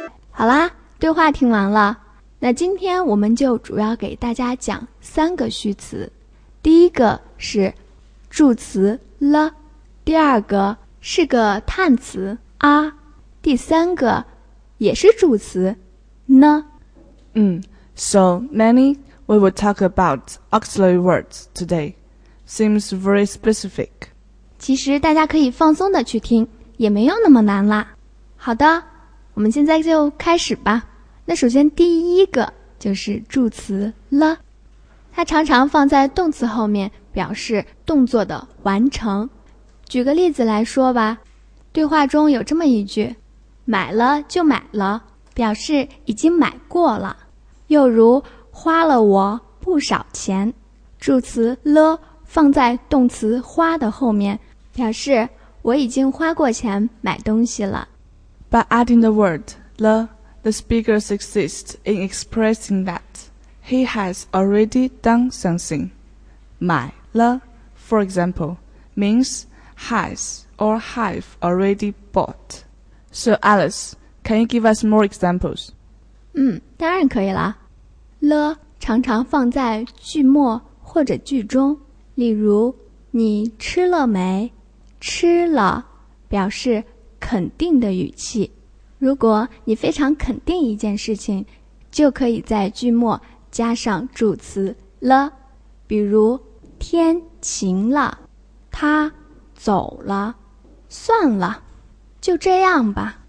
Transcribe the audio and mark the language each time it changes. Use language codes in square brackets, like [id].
[zh] 好啦，对话听完了，那今天我们就主要给大家讲三个虚词。第一个是助词了，第二个是个叹词啊，第三个也是助词呢。 [en] So many we will talk about auxiliary words today. Seems very specific. [zh] 其实大家可以放松的去听，也没有那么难啦。好的，我们现在就开始吧。那首先第一个就是助词了。它常常放在动词后面，表示动作的完成。举个例子来说吧，对话中有这么一句，买了就买了，表示已经买过了。又如花了我不少钱，助词了放在动词花的后面，表示我已经花过钱买东西了。 [en] By adding the word 了， the speaker succeeds in expressing thatHe has already done something. 买了 for example, means has or have already bought. So Alice, can you give us more examples? [zh] 当然可以啦。了常常放在句末或者句中。例如你吃了没？吃了表示肯定的语气。如果你非常肯定一件事情，就可以在句末加上助词了，比如天晴了，他走了，算了，就这样吧。